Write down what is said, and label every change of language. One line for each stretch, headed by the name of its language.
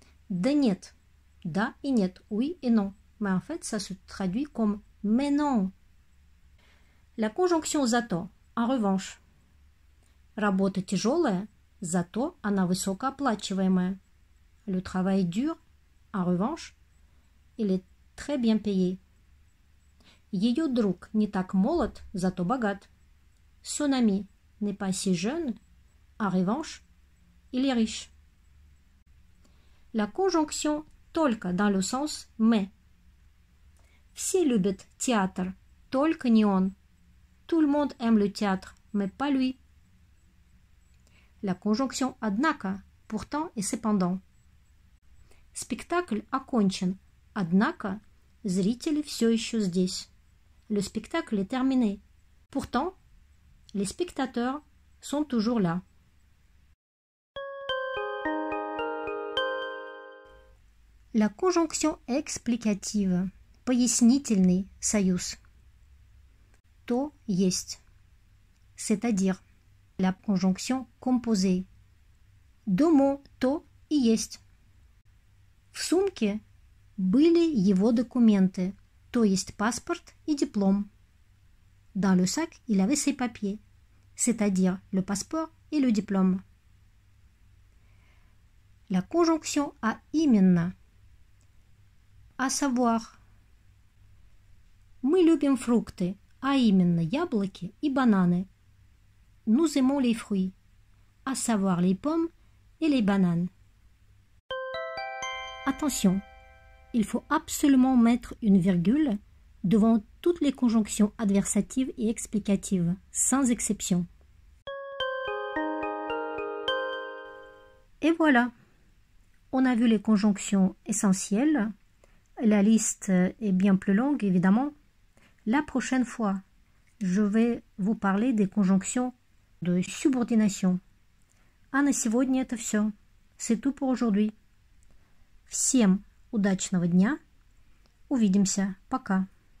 Russian: Да нет. Да и нет.
French: Oui et non. Mais en fait, ça se traduit comme mais non. La conjonction зато, en revanche.
Russian: Работа тяжелая, зато она высокооплачиваемая.
French: Le travail est dur, en revanche, il est très bien payé.
Russian: Ее друг не так молод, зато богат.
French: Son ami n'est pas si jeune, en revanche, il est riche. La conjonction только dans le sens mais.
Russian: Все любят театр, только не он.
French: Tout le monde aime le théâtre, mais pas lui. La conjonction однако, pourtant et cependant.
Russian: Spectacle окончен, однако, зрители все еще здесь.
French: Le spectacle est terminé. Pourtant, les spectateurs sont toujours là. La conjonction explicative,
Russian: пояснительный, союз. То есть,
French: c'est-à-dire. La conjonction composée. Deux mots,
Russian: то и есть. В сумке были его документы, то есть паспорт и диплом.
French: Dans le sac, il avait ses papiers, c'est-à-dire le passeport et le diplôme. La conjonction à именно. À savoir.
Russian: Мы любим фрукты, а именно яблоки и бананы.
French: Nous aimons les fruits, à savoir les pommes et les bananes. Attention, il faut absolument mettre une virgule devant toutes les conjonctions adversatives et explicatives, sans exception. Et voilà, on a vu les conjonctions essentielles. La liste est bien plus longue, évidemment. La prochaine fois, je vais vous parler des conjonctions de subordination.
Russian: А на сегодня это все.
French: C'est tout pour aujourd'hui.
Russian: Всем удачного дня. Увидимся. Пока.